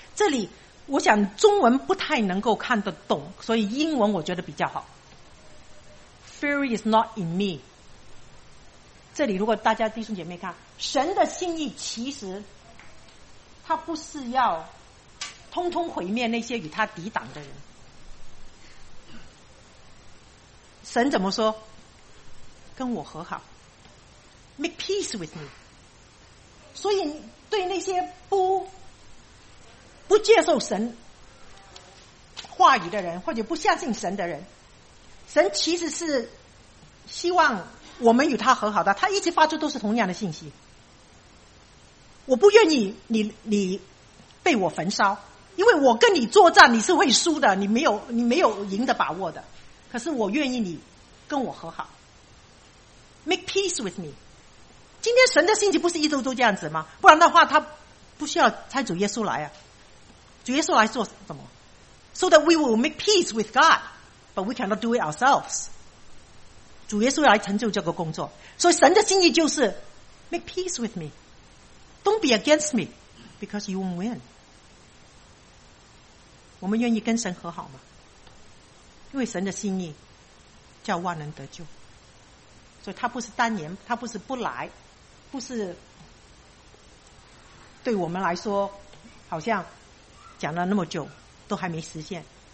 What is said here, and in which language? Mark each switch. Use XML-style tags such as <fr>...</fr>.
<zh>这里我想中文不太能够看得懂，所以英文我觉得比较好。</zh> <en>Fury is not in me。</en> <zh>这里如果大家弟兄姐妹看，神的心意其实他不是要通通毁灭那些与他抵挡的人。神怎么说？跟我和好，</zh> <en>make peace with me。</en> <zh>所以对那些不接受神话语的人，或者不相信神的人，神其实是希望我们与他和好的。他一直发出都是同样的信息，我不愿意你被我焚烧，因为我跟你作战你是会输的，你没有赢的把握的。可是我愿意你跟我和好，</zh> <en>make peace with me。</en> <zh>今天神的心情不是一周都这样子吗？不然的话他不需要差主耶稣来啊。主耶稣来做什么？</zh> <en>So that we will make peace with God but we cannot do it ourselves。</en> <zh>主耶稣来成就这个工作，所以神的心意就是</zh> <en>make peace with me， don't be against me because you won't win。</en> <zh>我们愿意跟神和好吗？因为神的心意叫万人得救，所以他不是单言，他不是不来，不是对我们来说好像讲了那么久都还没实现。</zh>